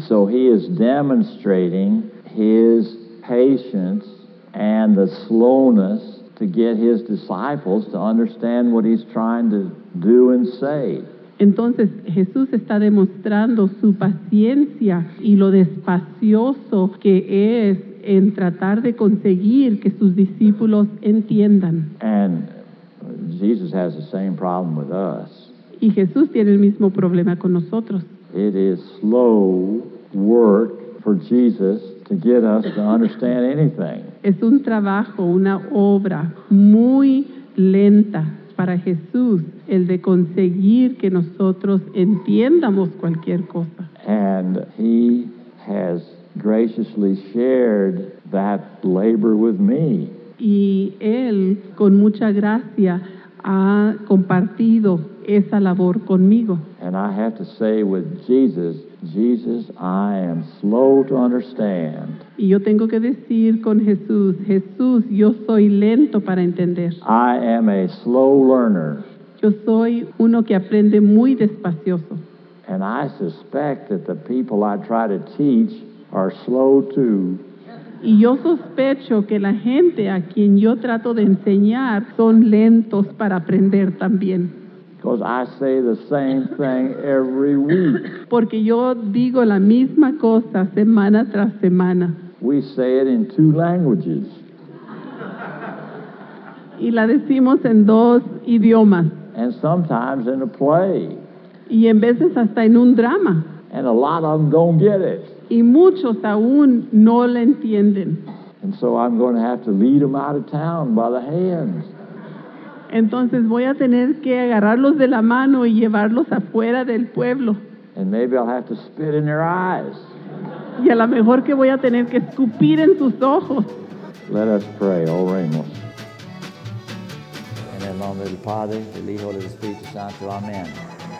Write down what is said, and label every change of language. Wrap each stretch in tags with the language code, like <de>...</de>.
<en>So he is demonstrating his patience and the slowness to get his disciples to understand what he's trying to do and say.</en> <es>Entonces Jesús está demostrando su paciencia y lo despacioso que es en tratar de conseguir que sus discípulos entiendan.</es> <en>And Jesus has the same problem with us.</en> <es>Y Jesús tiene el mismo problema con nosotros.</es> <en>It is slow work for Jesus to get us to understand anything.</en> <es>Es un trabajo, una obra muy lenta para Jesús, el de conseguir que nosotros entiendamos cualquier cosa.</es> <en>And he has graciously shared that labor with me.</en> <es>Y él, con mucha gracia, ha compartido esa labor conmigo.</es> <en>And I have to say with Jesus, Jesus, I am slow to understand.</en> <es>Y yo tengo que decir con Jesús, Jesús, yo soy lento para entender.</es> <en>I am a slow learner.</en> <es>Yo soy uno que aprende muy despacioso.</es> <en>And I suspect that the people I try to teach are slow too.</en> <es>Y yo sospecho que la gente a quien yo trato de enseñar son lentos para aprender también.</es> <en>Because I say the same thing every week.</en> <es>Porque yo digo la misma cosa semana tras semana.</es> <en>We say it in two languages.</en> <es>Y la decimos en dos idiomas.</es> <en>And sometimes in a play.</en> <es>Y en veces hasta en un drama.</es> <en>And a lot of them don't get it.</en> <es>Y muchos aún no lo entienden.</es> <en>And so I'm going to have to lead them out of town by the hands.</en> <es>Entonces voy a tener que agarrarlos de la mano y llevarlos afuera del pueblo.</es> <en>And maybe I'll have to spit in their eyes.</en> <es>Y a lo mejor que voy a tener que escupir en sus ojos.</es> <en>Let us pray,</en> <es>oremos. En el nombre del Padre, del Hijo y del Espíritu Santo. Amén.</es>